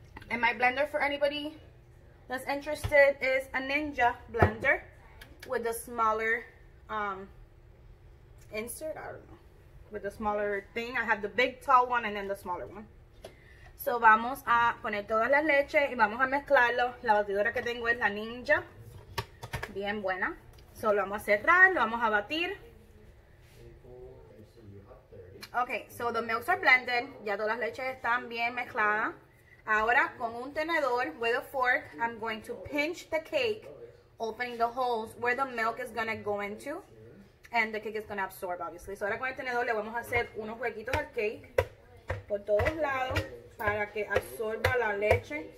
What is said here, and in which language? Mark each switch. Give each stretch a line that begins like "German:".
English: And my blender, for anybody that's interested, is a Ninja blender with a smaller insert. I don't know. With the smaller thing. I have the big tall one and then the smaller one.
Spanish: So vamos a poner todas las leches y vamos a mezclarlo. La batidora que tengo es la Ninja. Bien buena. So lo vamos a cerrar, lo vamos a batir.
English: Okay, so the milks are blended.
Spanish: Ya todas las leches están bien mezcladas. Ahora con un tenedor,
English: with a fork, I'm going to pinch the cake, opening the holes where the milk is gonna go into. And the cake is gonna absorb, obviously.
Spanish: So ahora con el tenedor le vamos a hacer unos huequitos al cake por todos lados para que absorba la leche.